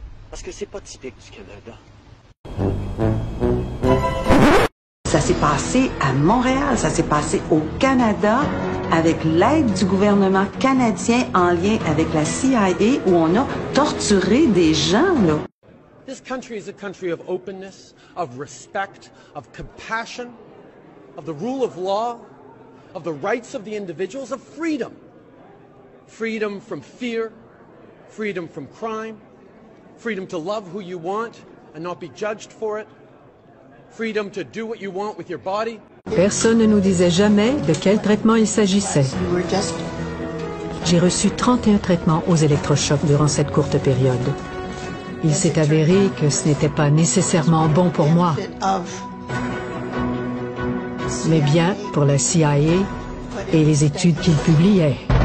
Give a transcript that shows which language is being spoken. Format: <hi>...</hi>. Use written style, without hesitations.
<fr>Parce que c'est pas typique du Canada. Ça s'est passé à Montréal, ça s'est passé au Canada, avec l'aide du gouvernement canadien en lien avec la CIA, où on a torturé des gens, là.</fr> <en>This country is a country of openness, of respect, of compassion, of the rule of law, of the rights of the individuals, of freedom. Freedom from fear, freedom from crime, freedom to love who you want and not be judged for it, freedom to do what you want with your body.</en> <fr>Personne ne nous disait jamais de quel traitement il s'agissait. J'ai reçu 31 traitements aux électrochocs durant cette courte période. Il s'est avéré que ce n'était pas nécessairement bon pour moi, mais bien pour la CIA et les études qu'ils publiaient.</fr>